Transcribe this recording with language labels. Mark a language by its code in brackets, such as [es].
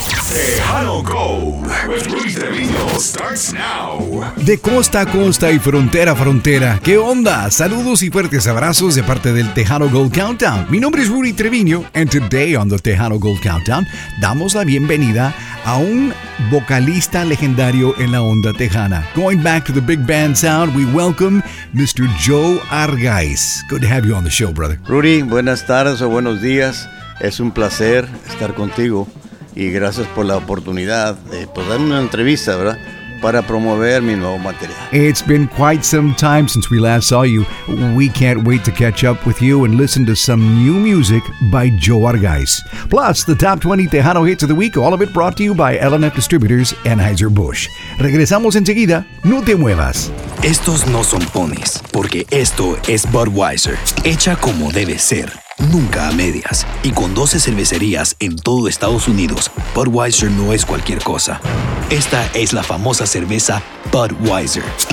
[en] Tejano Gold with Luis Delino starts now. [es] De costa a costa y frontera a frontera. ¿Qué onda? Saludos y fuertes abrazos de parte del Tejano Gold Countdown. Mi nombre es Rudy Treviño, [en] and today on the Tejano Gold Countdown [es] damos la bienvenida a un vocalista legendario en la onda tejana. [en] Going back to the big band sound, we welcome Mr. Joe Argaiz. Good to have you on the show, brother. [es] Rudy, buenas tardes o buenos días. Es un placer estar contigo y gracias por la oportunidad de poder darme una entrevista, ¿verdad? Para promover mi nuevo material. [en] It's been quite some time since we last saw you. We can't wait to catch up with you and listen to some new music by Joe Argaiz. Plus, the top 20 Tejano hits of the week, all of it brought to you by L&F Distributors and Anheuser-Busch. [es] Regresamos enseguida. No te muevas. Estos no son ponis, porque esto es Budweiser, hecha como debe ser. Nunca a medias. Y con 12 cervecerías en todo Estados Unidos, Budweiser no es cualquier cosa. Esta es la famosa cerveza Budweiser.